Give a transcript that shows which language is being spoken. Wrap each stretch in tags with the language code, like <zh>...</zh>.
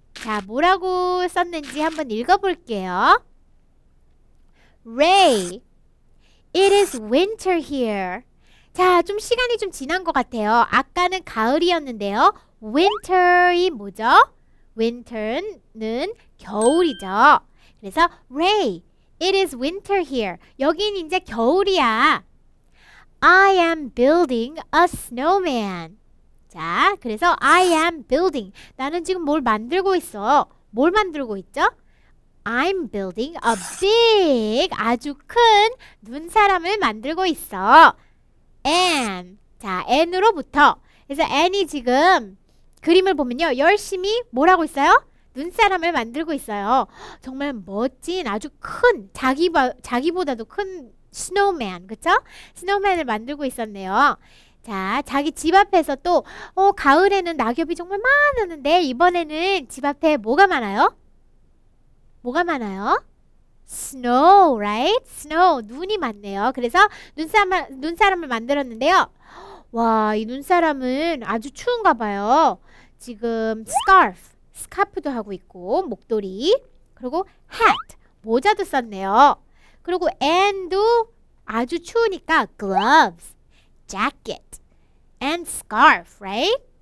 <ko>자, 뭐라고 썼는지 한번 읽어볼게요.</ko> <en>Ray, it is winter here.</en> <ko>자, 좀 시간이 좀 지난 것 같아요. 아까는 가을이었는데요. Winter이 뭐죠? Winter는 겨울이죠.</ko> <en>그래서 Ray, it is winter here.</en> <ko>여긴 이제 겨울이야.</ko> <en>I am building a snowman.</en> <ko>자, 그래서</ko> <en>I am building.</en> <ko>나는 지금 뭘 만들고 있어? 뭘 만들고 있죠?</ko> <en>I'm building a big,</en> <ko>아주 큰 눈사람을 만들고 있어. And, 자, and으로부터. 그래서 and이 지금 그림을 보면요. 열심히 뭘 하고 있어요? 눈사람을 만들고 있어요. 정말 멋진 아주 큰 자기보다도 큰 스노우맨, 그쵸? 스노우맨을 만들고 있었네요. 자, 자기 집 앞에서 또 가을에는 낙엽이 정말 많았는데 이번에는 집 앞에 뭐가 많아요? 뭐가 많아요?</ko> <en>Snow, right?</en> <ko>Snow, 눈이 많네요. 그래서 눈사람을 만들었는데요. 와, 이 눈사람은 아주 추운가 봐요. 지금 스카프도 하고 있고 목도리 그리고 hat 모자도 썼네요. 그리고 and도 아주 추우니까</ko> <en>gloves, jacket, and scarf, right?</en>